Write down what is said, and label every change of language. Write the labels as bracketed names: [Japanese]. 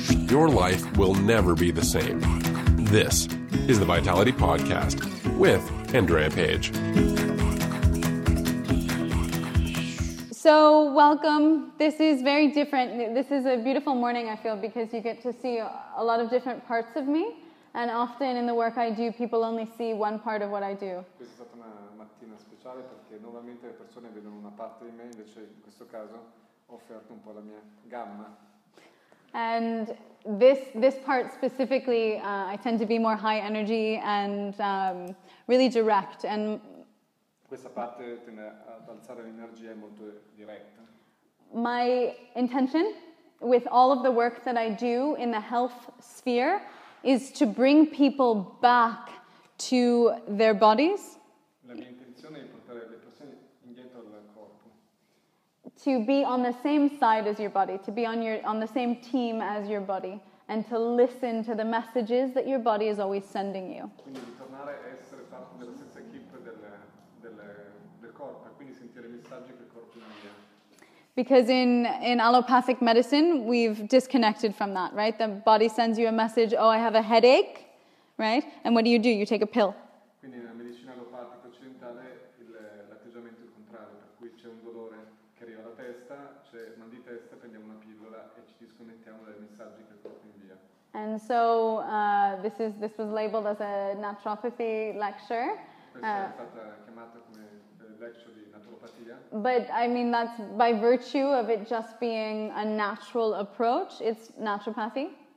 [English] Your life will never be the same. This is the Vitality Podcast with Andrea Page. So welcome. This is very different. This is a beautiful morning, I feel, because you get to see a lot of different parts of me. And often in the work I do, people only see one part of what I do. [Italian] Questa è stata una mattina speciale perché nuovamente le persone vedono una parte di me, invece in questo caso ho offerto un po' la mia gamma. [English] And this part specifically, I tend to be more high energy and really direct. And [Italian] questa parte tende ad alzare l'energia, è molto diretta. [English] My intention with all of the work that I do in the health sphere is to bring people back to their bodies. [Italian] La mia intenzione è portare le persone indietro al corpo. [English] To be on the same side as your body, to be on the same team as your body, and to listen to the messages that your body is always sending you. [Italian] Quindi di tornare a essere parte della stessa equip del corpo, e quindi sentire i messaggi che il corpo invia. [English] Because in allopathic medicine, we've disconnected from that, right? The body sends you a message, oh, I have a headache, right? And what do? You take a pill. [Italian] Quindi nella medicina allopatica occidentale, l'atteggiamento è il contrario, per cui c'è un dolore che arriva alla testa, c'è mal di testa, prendiamo una pillola e ci disconnettiamo dai messaggi che il corpo invia. [English] And so this was labeled as a naturopathy lecture. [Italian] Questa è stata chiamata come lecture di naturopatia. [English] But I mean, that's by virtue of it just being a natural approach, it's naturopathy.